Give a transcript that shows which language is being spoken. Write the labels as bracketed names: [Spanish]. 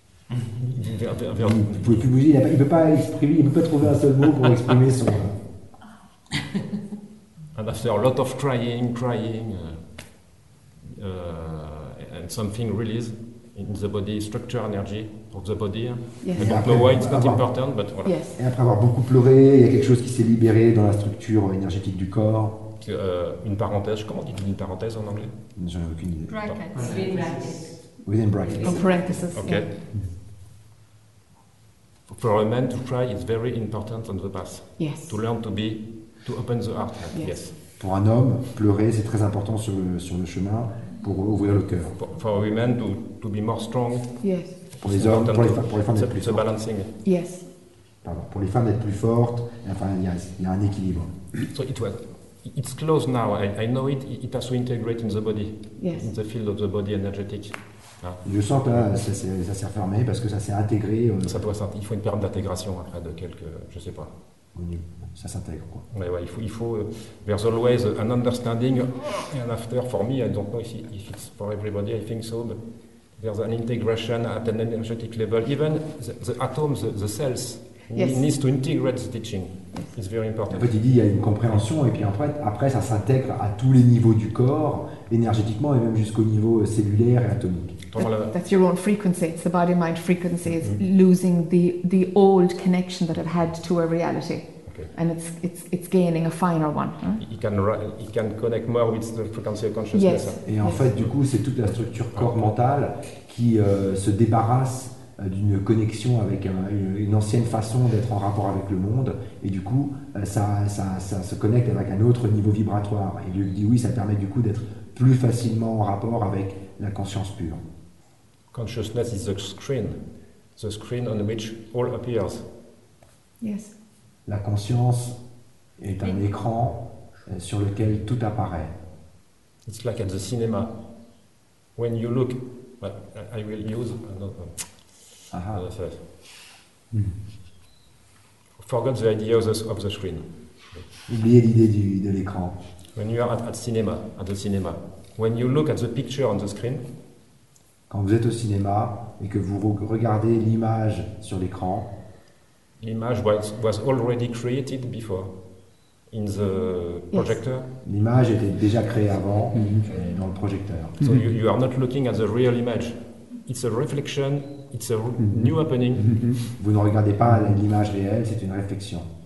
[French] Il ne peut pas exprimer, il ne peut pas trouver un seul mot pour exprimer son. [English] And after a lot of crying, and something released, in the body, structure energy of the body. Yes. I don't know why it's not important, but voilà. Yes. [French] Et après avoir beaucoup pleuré, il y a quelque chose qui s'est libéré dans la structure énergétique du corps. Une parenthèse, comment dit-on une parenthèse en anglais? Je n'ai aucune idée. [English] Brackets. Brackets. Within brackets. Within brackets. Oh, okay. Yeah. For a man to cry is very important on the path. Yes. To learn to be, to open the heart. Yes. Yes. [French] Pour un homme, pleurer c'est très important sur le chemin pour ouvrir le cœur. [English] For women to be more strong. Yes. [French] Pour les hommes, pour les femmes d'être plus fortes. [English] Balancing. Yes. [French] Pardon. Pour les femmes d'être plus fortes, enfin il y a un équilibre. [English] So it was, it's close now. I know it. It has to integrate in the body. Yes. In the field of the body energetic. [French] Je sens que là, ça s'est refermé parce que ça s'est intégré. Ça doit s'intégrer. Il faut une période d'intégration après de quelques, je sais pas. Ça s'intègre quoi. Mais ouais, il faut [English] there's always an understanding and after for me. I don't know if it's for everybody. I think so. But there's an integration at an energetic level. Even the atoms, the cells, yes, needs to integrate the teaching. It's very important. [French] En fait, il dit il y a une compréhension et puis après ça s'intègre à tous les niveaux du corps, énergétiquement et même jusqu'au niveau cellulaire et atomique. [English] That's your own frequency. It's the body-mind frequency is losing the old connection that it had to a reality, okay, and it's gaining a finer one. Huh? He can connect more with the frequency of consciousness. Yes. [French] Et en [English] yes. [French] fait, du coup, c'est toute la structure corps mentale qui se débarrasse d'une connexion avec une ancienne façon d'être en rapport avec le monde, et du coup, ça se connecte avec un autre niveau vibratoire. Et lui dit oui, ça permet du coup d'être plus facilement en rapport avec la conscience pure. [English] Consciousness is the screen on which all appears. Yes. [French] La conscience est un écran sur lequel tout apparaît. [English] It's like at the cinema. When you look, but I will use another. Forget the idea of the screen. [French] Oubliez l'idée de l'écran. [English] When you are at the cinema, when you look at the picture on the screen. [French] Quand vous êtes au cinéma et que vous regardez l'image sur l'écran. [English] L'image was already created before in the projector. [French] L'image était déjà créée avant dans le projecteur. [English] So you are not looking at the real image. It's a reflection. It's a new happening. [French] Vous ne regardez pas l'image réelle, c'est une réflexion.